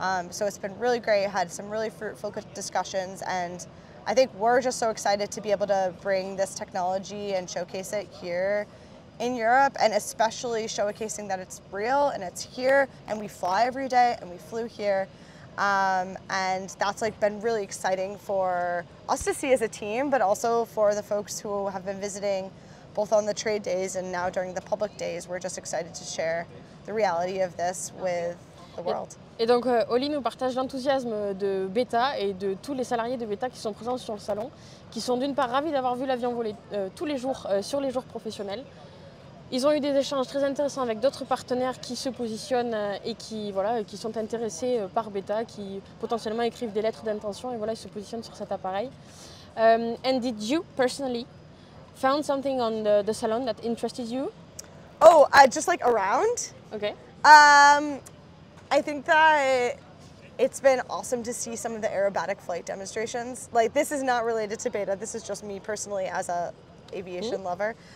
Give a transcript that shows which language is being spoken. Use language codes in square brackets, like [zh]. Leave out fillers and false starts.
[en] So it's been really great, had some really fruitful discussions, and I think we're just so excited to be able to bring this technology and showcase it here in Europe, and especially showcasing that it's real and it's here, and we fly every day, and we flew here, and that's been really exciting for us to see as a team, but also for the folks who have been visiting, both on the trade days and now during the public days. We're just excited to share the reality of this with the world. [fr] Et donc, Holly nous partage l'enthousiasme de Beta et de tous les salariés de Beta qui sont présents sur le salon, qui sont d'une part ravis d'avoir vu l'avion voler tous les jours sur les jours professionnels. Ils ont eu des échanges très intéressants avec d'autres partenaires qui se positionnent et qui sont intéressés par Beta, qui potentiellement écrivent des lettres d'intention et ils se positionnent sur cet appareil. [en] And did you personally found something on the salon that interested you? Oh, just around. Okay. I think that it's been awesome to see some of the aerobatic flight demonstrations. This is not related to Beta. This is just me personally as a aviation lover.